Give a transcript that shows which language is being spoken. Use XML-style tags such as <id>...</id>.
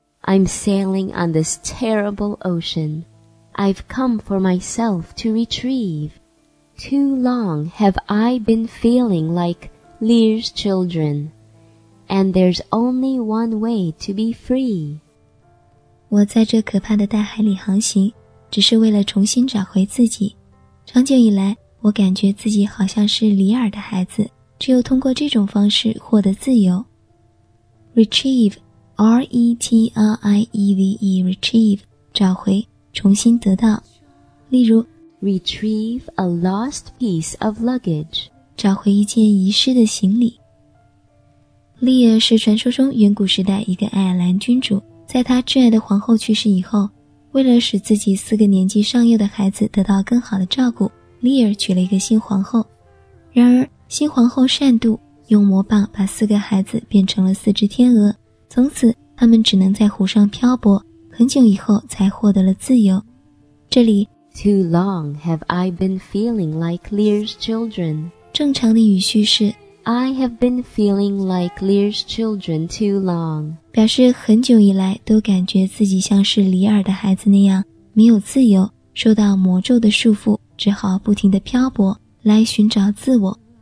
<en>I'm sailing on this terrible ocean. I've come for myself to retrieve. Too long have I been feeling like Lear's children. And there's only one way to be free.</en> <zh>我在这可怕的大海里航行，只是为了重新找回自己。长久以来，我感觉自己好像是里尔的孩子，只有通过这种方式获得自由。</zh> <en>Retrieve, R-E-T-R-I-E-V-E, retrieve,</en> <zh>找回，重新得到。例如</zh> <en>Retrieve a lost piece of luggage,</en> <zh>找回一件遗失的行李。莉尔是传说中远古时代一个爱尔兰君主，在他挚爱的皇后去世以后，为了使自己四个年纪尚幼的孩子得到更好的照顾，莉尔娶了一个新皇后。然而新皇后善妒，用魔棒把四个孩子变成了四只天鹅，从此他们只能在湖上漂泊，很久以后才获得了自由。这里</zh> <en>Too long have I been feeling like Lear's children,</en> <zh>正常的语序是</zh> <en>I have been feeling like Lear's children too long,</en> <zh>表示很久以来都感觉自己像是里尔的孩子那样没有自由，受到魔咒的束缚，只好不停地漂泊来寻找自我。</zh>